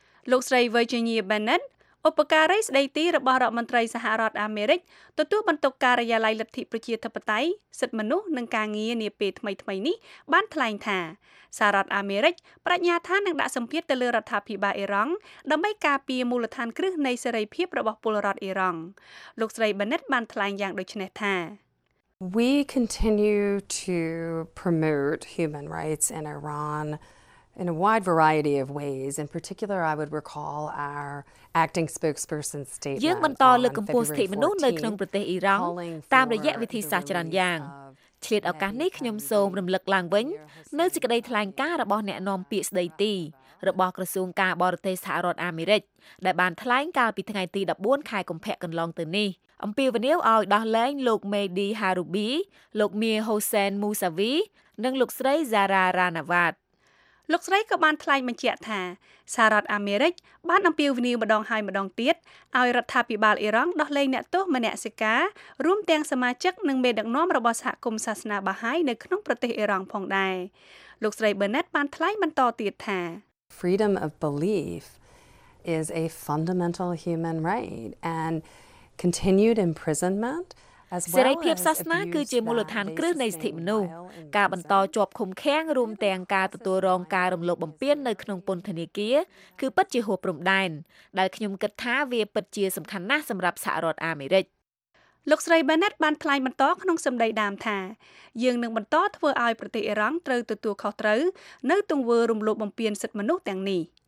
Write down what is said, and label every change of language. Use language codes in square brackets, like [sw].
[km] លោកស្រី Virginia Bennett ឧបការីស្ដីទីរបស់រដ្ឋមន្ត្រីសហរដ្ឋអាមេរិកទទួលបន្ទុកការិយាល័យលទ្ធិប្រជាធិបតេយ្យសិទ្ធិមនុស្សនិងការងារនាពេលថ្មីៗនេះបានថ្លែងថាសហរដ្ឋអាមេរិកប្រាជ្ញាថានឹងដាក់សម្ពាធទៅលើរដ្ឋាភិបាលអ៊ីរ៉ង់ដើម្បីការពារមូលដ្ឋានគ្រឹះនៃសេរីភាពរបស់ពលរដ្ឋអ៊ីរ៉ង់លោកស្រីបេណិតបានថ្លែងយ៉ាងដូចនេះថា [en] We continue to promote human rights in Iran in a wide variety of ways in particular I would recall ouracting spokesperson statement [km] យើងបន្តលើកកម្ពស់សិទ្ធិមនុស្សនៅក្នុងប្រទេសអ៊ីរ៉ង់តាមរយៈវិធីសាស្ត្រច្រើនយ៉ាងឆ្លៀតឱកាសនេះខ្ញុំសូមរំលឹកឡើងវិញនៅសេចក្តីថ្លែងការណ៍របស់អ្នកនាំពាក្យស្ដីទីរបស់ក្រសួងការបរទេសសហរដ្ឋអាមេរិកដែលបានថ្លែងកាលពីថ្ងៃទី14ខែកុម្ភៈកន្លងទៅនេះអំពាវនាវឲ្យដោះលែងលោក Mehdi Harubi លោក Mia Hussein Mousavi និងលោកស្រី Zara Ranawat លោកស្រីក៏បានថ្លែងបញ្ជាក់ថាសហរដ្ឋអាមេរិកបានអំពាវនាវម្ដងហើយម្ដងទៀតឲ្យរដ្ឋាភិបាលអ៊ីរ៉ង់ដោះលែងអ្នកទោសមនសិការរួមទាំងសមាជិកនិងមេដឹកនាំរបស់សហគមន៍សាសនាបាហាយនៅក្នុងប្រទេសអ៊ីរ៉ង់ផងដែរលោកស្រី Bennett បានថ្លែងបន្តទៀតថា [en] Freedom of belief is a fundamental human right and continued imprisonment [km] សេរីភាពសាសនាគឺជាមូលដ្ឋានគ្រឹះនៃសិទ្ធិមនុស្សការបន្តជាប់ឃុំឃាំងរួមទាំងការទទួលរងការរំលោភបំពាននៅក្នុងពន្ធនាគារគឺពិតជាហួសព្រំដែនដែលខ្ញុំគិតថាវាពិតជាសំខាន់ណាស់សម្រាប់សហរដ្ឋអាមេរិក លោកស្រី Bennett បានថ្លែងបន្តក្នុងសម្ដីដើមថាយើងនឹងបន្តធ្វើឲ្យប្រទេសអ៊ីរ៉ង់ត្រូវទទួលខុសត្រូវនៅទង្វើរំលោភបំពានសិទ្ធិមនុស្សទាំងនេះ